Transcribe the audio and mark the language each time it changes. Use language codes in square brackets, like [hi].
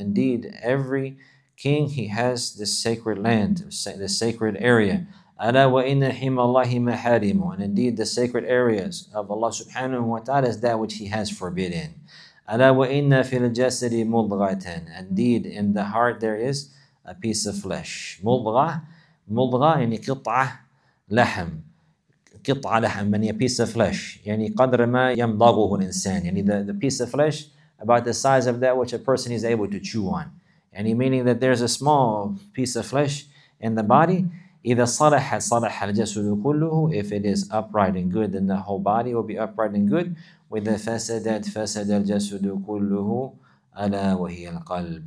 [en] Indeed, every king, he has this sacred land, this sacred area. [ar] أَلَا وَإِنَّ حِمَى اللَّهِ مَحَارِمُ. [en] And indeed, the sacred areas of Allah subhanahu wa ta'ala is that which he has forbidden. [ar] أَلَا وَإِنَّ فِي الْجَسَدِ مُضْغَةً. [en] Indeed, in the heart there is a piece of flesh. [ar] مُضْغَة يعني قطعة لحم يعني [en] a piece of flesh. [ar] يعني قدر ما يمضغه الإنسان. [en] يعني the piece of flesh about the size of that which a person is able to chew on. يعني meaning that there's a small piece of flesh in the body. [ar] إِذَا صَلَحَ صَلَحَ الْجَسُدُ كُلُّهُ. [en] If it is upright and good, then the whole body will be upright and good. [ar] وَإِذَا فَسَدَتْ فَسَدَ الْجَسُدُ كُلُّهُ أَلَا وَهِيَ الْقَلْبُ.